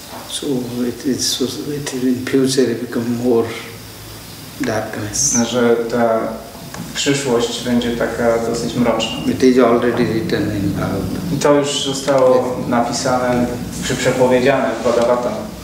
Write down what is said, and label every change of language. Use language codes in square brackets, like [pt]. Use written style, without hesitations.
[en] So it in future become more darkness. [pl] Że ta przyszłość będzie taka dosyć mroczna. [en] It is already written in Bhagavad. [pl] I to już zostało napisane, przepowiedziane w Bhagavatam.